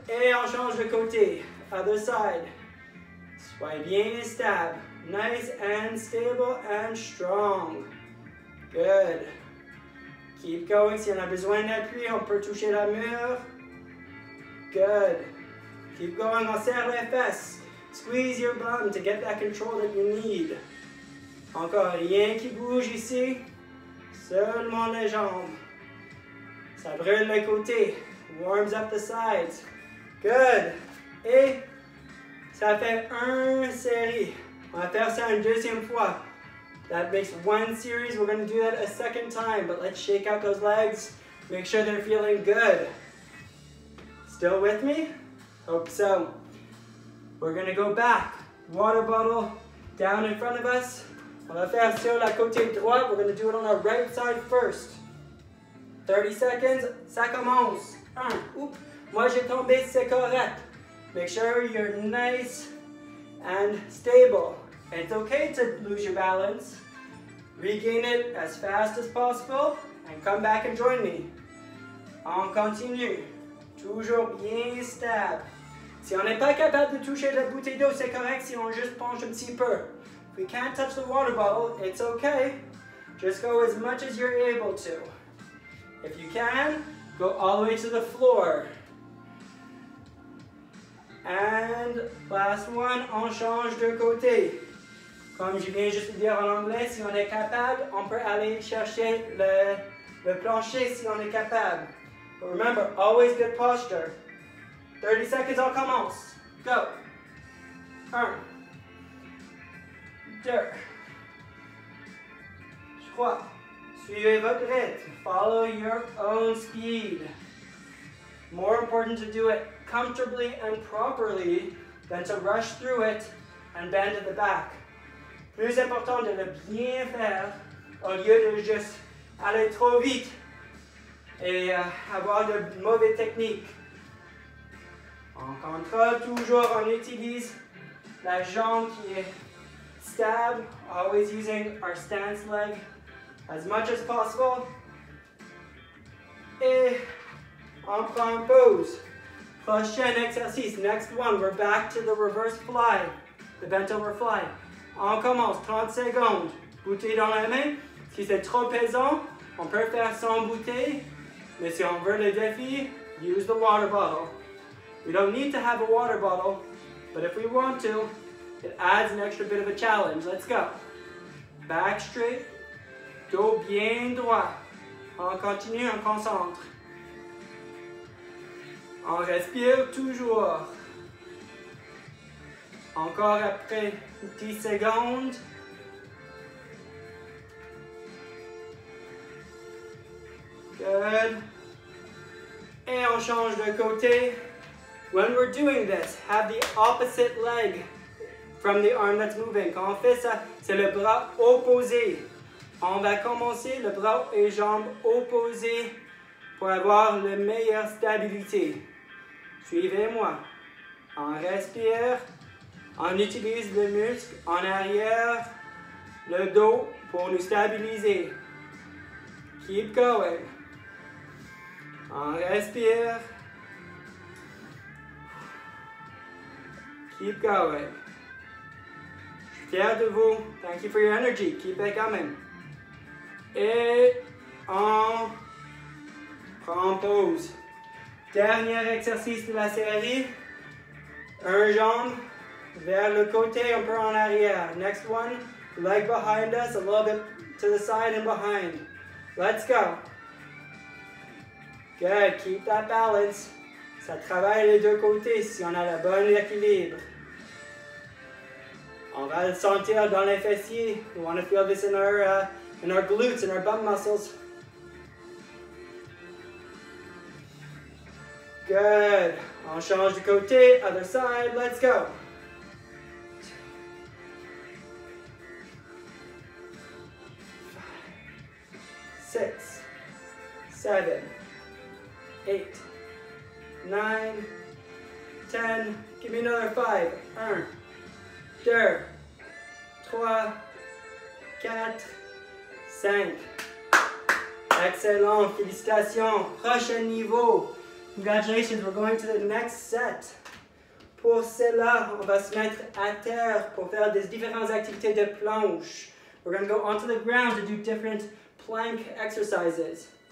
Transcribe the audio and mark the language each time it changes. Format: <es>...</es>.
<fr>Et on change de côté.</fr> <en>Other side.</en> <fr>Sois bien stable.</fr> <en>Nice and stable and strong. Good. Keep going.</en> <fr>Si on a besoin d'appui, on peut toucher la mur.</fr> <en>Good. Keep going.</en> <fr>On serre les fesses.</fr> <en>Squeeze your bum to get that control that you need.</en> <fr>Encore rien qui bouge ici. Seulement les jambes. Ça brûle les côtés.</fr> <en>Warms up the sides. Good.</en> <fr>Et ça fait un série. On va faire ça une deuxième fois.</fr> <en>That makes one series. We're going to do that a second time. But let's shake out those legs. Make sure they're feeling good. Still with me? Hope so. We're going to go back. Water bottle down in front of us.</en> <fr>On va faire sur la côté droite.</fr> <en>We're going to do it on our right side first. 30 seconds.</en> <fr>Ça commence. Un. Oups. Moi, j'ai tombé. C'est correct.</fr> <en>Make sure you're nice and stable. It's okay to lose your balance. Regain it as fast as possible and come back and join me.</en> <fr>On continue. Toujours bien stable. Si on n'est pas capable de toucher la bouteille d'eau, c'est correct si on juste penche un petit peu.</fr> <en>If we can't touch the water bottle, it's okay. Just go as much as you're able to. If you can, go all the way to the floor. And last one,</en> <fr>on change de côté. Comme je viens juste de dire en anglais, si on est capable, on peut aller chercher le plancher si on est capable.</fr> <en>But remember, always good posture. 30 seconds,</en> <fr>on commence.</fr> <en>Go. 1. 2. 3.</en> <fr>Suivez votre rythme.</fr> <en>Follow your own speed. More important to do it comfortably and properly than to rush through it and bend at the back.</en> <fr>Plus important de le bien faire au lieu de juste aller trop vite et avoir de mauvaises techniques. On contrôle toujours, on utilise la jambe qui est stable,</fr> <en>always using our stance leg as much as possible.</en> <fr>Et on prend pause. Prochain exercice,</fr> <en>next one, we're back to the reverse fly, the bent over fly.</en> <fr>On commence, 30 secondes, bouteille dans la main. Si c'est trop pesant, on peut faire sans bouteille. Mais si on veut le défi,</fr> <en>use the water bottle. We don't need to have a water bottle, but if we want to, it adds an extra bit of a challenge. Let's go. Back straight,</en> <fr>dos bien droit. On continue, on concentre. On respire toujours. Encore après 10 secondes. Good. Et on change de côté.</fr> <en>When we're doing this, have the opposite leg from the arm that's moving.</en> <fr>Quand on fait ça, c'est le bras opposé. On va commencer le bras et jambes opposés pour avoir la meilleure stabilité. Suivez-moi. On respire. On utilise le muscle en arrière, le dos, pour nous stabiliser.</fr> <en>Keep going.</en> <fr>On respire.</fr> <en>Keep going.</en> <fr>Je suis fier de vous.</fr> <en>Thank you for your energy. Keep it coming.</en> <fr>Et on prend pause. Dernier exercice de la série. Un jambe. Vers le côté, un peu en arrière.</fr> <en>Next one, leg behind us, a little bit to the side and behind. Let's go. Good, keep that balance.</en> <fr>Ça travaille les deux côtés si on a le bon équilibre. On va le sentir dans les fessiers.</fr> <en>We want to feel this in our glutes, in our bum muscles. Good.</en> <fr>On change de côté,</fr> <en>other side, let's go. Six, seven, eight, nine, ten. Give me another five.</en> <fr>Un, deux, trois, quatre, cinq. Excellent, félicitations. Prochain niveau.</fr> <en>Congratulations, we're going to the next set.</en> <fr>Pour cela, on va se mettre à terre pour faire des différentes activités de planche.</fr> <en>We're going to go onto the ground to do different plank exercises.</en>